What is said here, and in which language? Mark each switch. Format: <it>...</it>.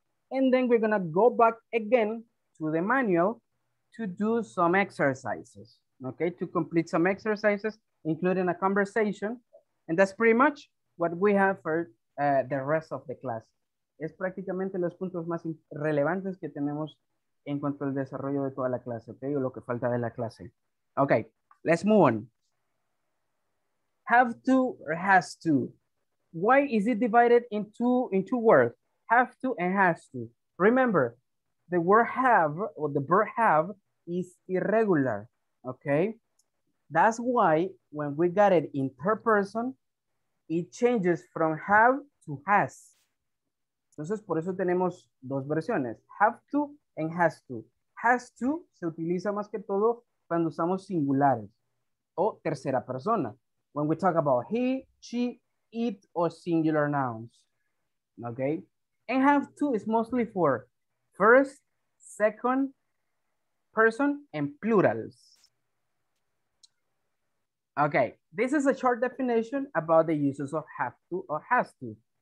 <en>And then we're gonna go back again to the manual to do some exercises, okay? To complete some exercises, including a conversation. And that's pretty much what we have for the rest of the class.</en> <es>Es prácticamente los puntos más relevantes que tenemos en cuanto al desarrollo de toda la clase, okay, o lo que falta de la clase.</es> <en>Okay, let's move on. Have to or has to. Why is it divided in two words? Have to and has to. Remember, the word have or the verb have is irregular, okay? That's why when we got it in third person, it changes from have to has.</en> <es>Entonces, por eso tenemos dos versiones.</es> <en>Have to and has to.</en> <es>Has to se utiliza más que todo cuando usamos singulares o tercera persona.</es> <en>When we talk about he, she, it, or singular nouns, okay? And have to is mostly for first, second person, and plurals. Okay, this is a short definition about the uses of have to or has to.</en>